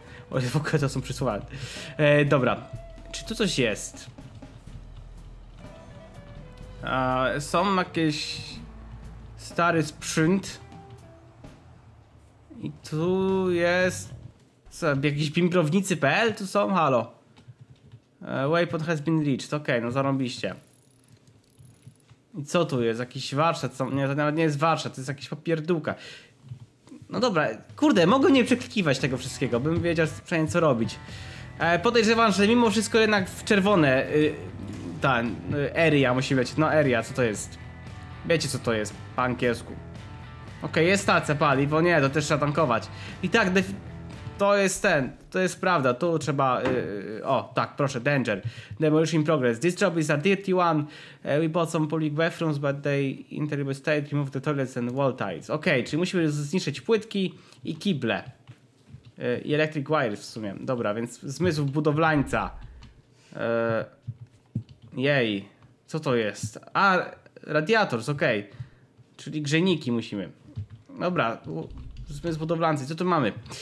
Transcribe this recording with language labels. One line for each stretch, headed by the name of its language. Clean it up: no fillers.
Polish: Oj, w ogóle to są przysłowia. Dobra, czy tu coś jest? Są jakieś stary sprzęt. I tu jest co, jakieś bimprownicy.pl tu są? Halo.
English: Waypoint has been reached, ok,
Polish: no zarąbiście. I co tu jest? Jakiś warsztat, co, nie, to nawet nie jest warsztat, to jest jakieś popierdółka. No dobra, kurde, mogę nie przeklikiwać tego wszystkiego, bym wiedział przynajmniej co robić. Podejrzewam, że mimo wszystko jednak w czerwone ta area musi być. No area, co to jest? Wiecie co to jest po angielsku. Okej, okay, jest stacja paliwo, nie, to też trzeba tankować. I tak, to jest prawda, tu trzeba, o tak, proszę, danger.
English: Demolition progress, this job is a dirty one. We bought some public bathrooms, but they in terrible state, remove the toilets and wall tiles.
Polish: Okej, czyli musimy zniszczyć płytki i kible. I
English: electric wires
Polish: w sumie, dobra, więc zmysł budowlańca. Jej, co to jest? A, radiator, ok. Czyli grzejniki musimy. Dobra, zmysł budowlancy, co tu mamy?